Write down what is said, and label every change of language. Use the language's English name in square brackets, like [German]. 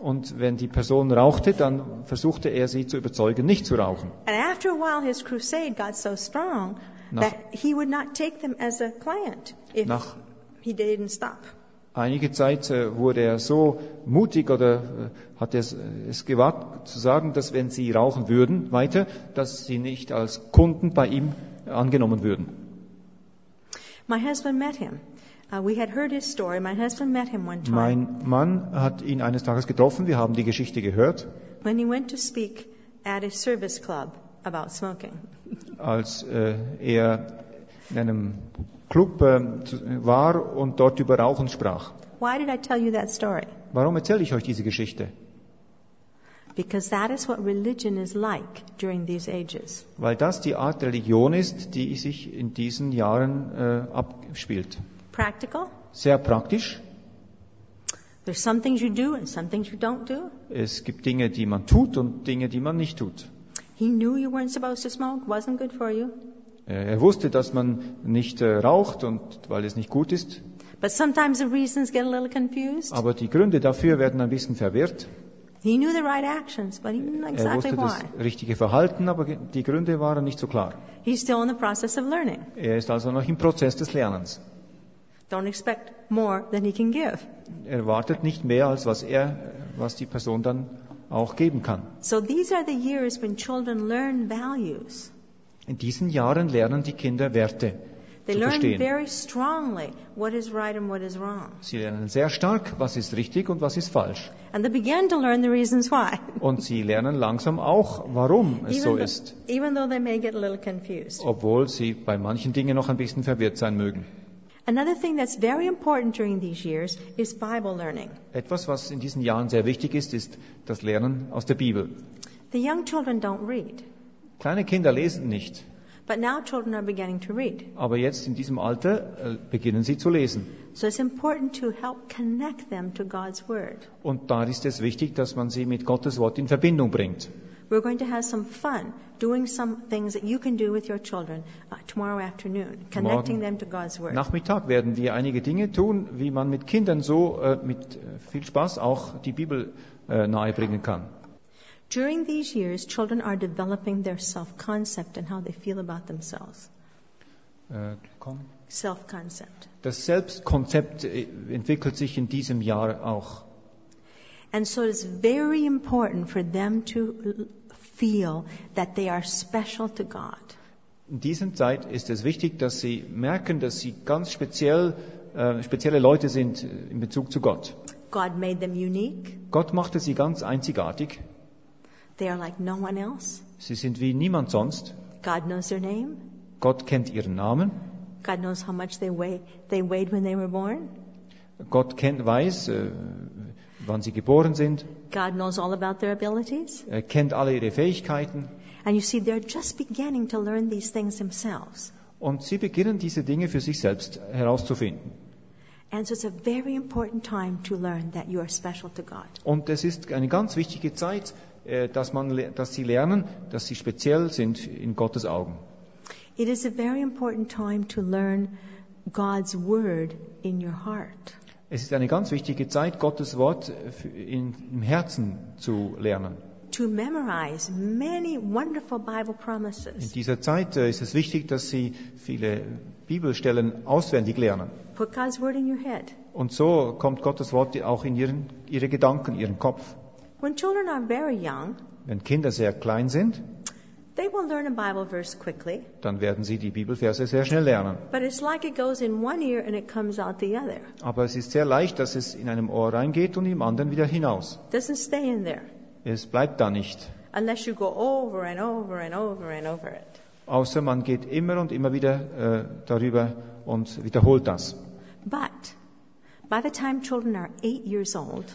[German] Und wenn die Person rauchte, dann versuchte er sie zu überzeugen, nicht zu rauchen. [English] And after a while, his crusade got so strong that he would not take them as a client if he didn't stop. [German] Einige Zeit wurde er so mutig oder hat es gewagt zu sagen, dass wenn sie rauchen würden weiter, dass sie nicht als Kunden bei ihm angenommen würden. [English] My husband met him. We had heard his story. My husband met him one time. [German] Mein Mann hat ihn eines Tages getroffen. Wir haben die Geschichte gehört. [English] When he went to speak at a service club about smoking. [German] Als er in einem Club war und dort über Rauchen sprach. [English] Why did I tell you that story? [German] Warum erzähle ich euch diese Geschichte? [English] Because that is what religion is like during these ages. [German] Weil das die Art Religion ist, die sich in diesen Jahren abspielt. [English] Practical? [German] Sehr praktisch. [English] There's some things you do and some things you don't do. [German] Es gibt Dinge, die man tut und Dinge, die man nicht tut. [English] He knew you weren't supposed to smoke. Wasn't good for you. [German] Er wusste, dass man nicht raucht und weil es nicht gut ist. [English] But sometimes the reasons get a little confused. [German] Aber die Gründe dafür werden ein bisschen verwirrt. [English] He knew the right actions, but he didn't exactly why. [German] Er wusste das richtige Verhalten, aber die Gründe waren nicht so klar. [English] He's still in the process of learning. [German] Er ist also noch im Prozess des Lernens. [English] Don't expect more than he can give. [German] Er wartet nicht mehr als was die Person dann auch geben kann. [English] So these are the years when children learn values. [German] In diesen Jahren lernen die Kinder Werte. [English] They learn very strongly what is right and what is wrong. [German] Sie lernen sehr stark, was ist richtig und was ist falsch. [English] And they begin to learn the reasons why. [German] Und sie lernen langsam auch, warum es so ist. [English] Even though they may get a little confused. [German] Obwohl sie bei manchen Dingen noch ein bisschen verwirrt sein mögen. [English] Another thing that's very important during these years is Bible learning. [German] Etwas, was in diesen Jahren sehr wichtig ist, ist das Lernen aus der Bibel. [English] The young children don't read. [German] Kleine Kinder lesen nicht. [English] But now children are beginning to read. [German] Aber jetzt in diesem Alter beginnen sie zu lesen. [English] So it's important to help connect them to God's word. [German] Und da ist es wichtig, dass man sie mit Gottes Wort in Verbindung bringt. [English] We're going to have some fun doing some things that you can do with your children tomorrow afternoon, connecting them to God's word. [German] Nachmittag werden wir einige Dinge tun, wie man mit Kindern so mit viel Spaß auch die Bibel nahe bringen kann. [English] During these years, children are developing their self-concept and how they feel about themselves. Self-concept. [German] Das Selbstkonzept entwickelt sich in diesem Jahr auch. [English] And so it's very important for them to feel that they are special to God. [German] In dieser Zeit ist es wichtig, dass sie merken, dass sie ganz spezielle Leute sind in Bezug zu Gott. [English] God made them unique. [German] Gott machte sie ganz einzigartig. [English] They are like no one else. [German] Sie sind wie niemand sonst. [English] God knows their name. [German] Gott kennt ihren Namen. [English] God knows how much they weighed when they were born. [German] Gott weiß, wann sie geboren sind. [English] God knows all about their abilities. [German] Er kennt alle ihre Fähigkeiten. [English] And you see, they're just beginning to learn these things themselves. [German] Und sie beginnen diese Dinge für sich selbst herauszufinden. [English] And so it's a very important time to learn that you are special to God. [German] Und es ist eine ganz wichtige Zeit, dass sie lernen, dass sie speziell sind in Gottes Augen. [English] It is a very important time to learn God's word in your heart. [German] Es ist eine ganz wichtige Zeit, Gottes Wort im Herzen zu lernen. [English] To memorize many wonderful Bible promises. [German] In dieser Zeit ist es wichtig, dass sie viele Bibelstellen auswendig lernen. [English] Put God's word in your head. [German] Und so kommt Gottes Wort auch in ihre Gedanken, ihren Kopf. [English] When children are very young, [German] wenn Kinder sehr klein sind, [English] they will learn a Bible verse quickly. [German] Dann werden sie die Bibelverse sehr schnell lernen. [English] But it's like it goes in one ear and it comes out the other. [German] Aber es ist sehr leicht, dass es in einem Ohr reingeht und im anderen wieder hinaus. [English] Doesn't stay in there. [German] Es bleibt da nicht. [English] Unless you go over and over and over and over it. [German] Außer man geht immer und immer wieder darüber und wiederholt das. [English] But by the time children are 8 years old,